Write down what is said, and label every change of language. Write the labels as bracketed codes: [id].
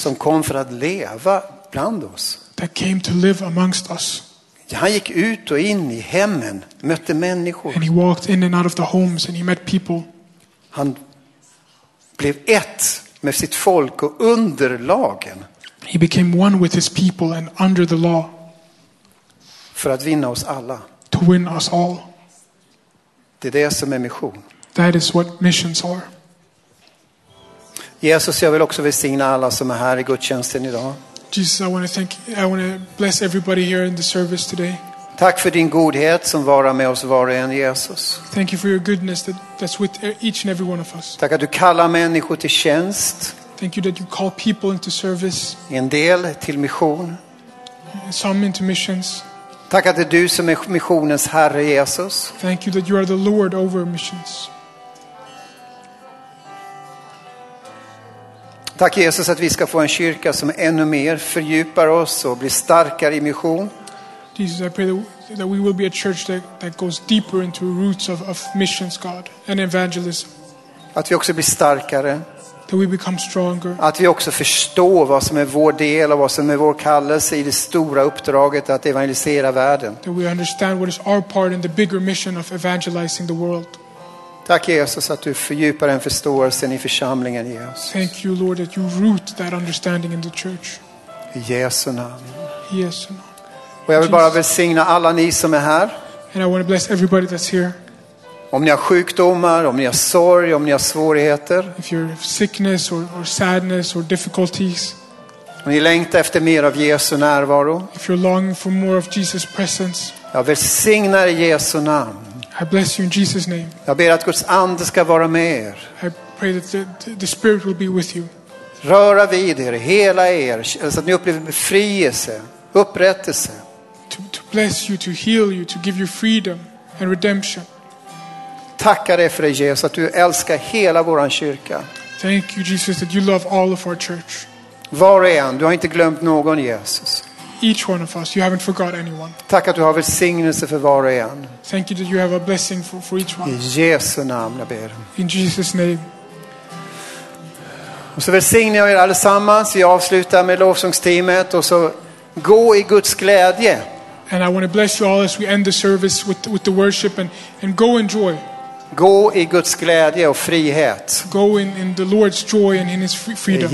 [sv] Som kom för att leva bland oss. [en] That came to live amongst us. [sv] Han gick ut och in i hemmen, mötte människor. [en] And he walked in and out of the homes and he met people. [sv] Han blev ett med sitt folk och under lagen. [en] He became one with his people and under the law. [sv] För att vinna oss alla. [en] To win us all. [sv] Det är det som är mission. [en] That is what missions are. [sv] Jesus, jag vill också välsigna alla som är här i gudstjänsten idag. [en] Jesus, I want to bless everybody here in the service today. [sv] Tack för din godhet som varar med oss var och en, Jesus. [en] Thank you for your goodness that's with each and every one of us. [sv] Tack att du kallar människor till tjänst. [en] Thank you that you call people into service. [sv] En del till mission. [en] Some into missions. [sv] Tack att det är du som är missionens herre, Jesus. [en] Thank you that you are the Lord over missions. [sv] Tack Jesus att vi ska få en kyrka som ännu mer fördjupar oss och blir starkare i mission. [en] Jesus, I pray that we will be a church that goes deeper into roots of missions, God, and evangelism. [sv] Att vi också blir starkare. [en] That we become stronger. [sv] Att vi också förstår vad som är vår del och vad som är vår kallelse i det stora uppdraget att evangelisera världen. [en] That we understand what is our part in the bigger mission of evangelizing the world. [sv] Tack Jesus att du fördjupar den förståelsen i församlingen, Jesus. [en] Thank you Lord that you root that understanding in the church. [sv] I Jesu namn. [en] Yes. [sv] Och jag vill bara välsigna alla ni som är här. [en] And I want to bless everybody that's here. [sv] Om ni har sjukdomar, om ni har sorg, om ni har svårigheter. [en] If you have sickness or sadness or difficulties. [sv] Om ni längtar efter mer av Jesu närvaro. [en] If you're longing for more of Jesus presence. [sv] Jag välsignar i Jesu namn. [en] I bless you in Jesus' name. [sv] Jag ber att Guds ande ska vara med er. [en] I pray that the Spirit will be with you. [sv] Röra vid er, hela er, så att ni upplever befrielse, upprättelse. [en] To bless you, to heal you, to give you freedom and redemption. [sv] Tacka dig för det, Jesus, att du älskar hela vår kyrka. [en] Thank you, Jesus, that you love all of our church. [sv] Var och en, du har inte glömt någon, Jesus. [en] Each one of us, you haven't forgot anyone. [sv] Tack att du har välsignelse för var och en. [en] Thank you that you have a blessing for each one. [sv] I Jesu namn, jag ber. [en] In Jesus' name. [sv] Och så välsignar jag er allesammans. Jag avslutar med lovsångsteamet och så gå i Guds glädje. [en] And I want to bless you all as we end the service with the worship and go in joy. [sv] Gå i Guds glädje och frihet. [en] Go in the Lord's joy and in his freedom.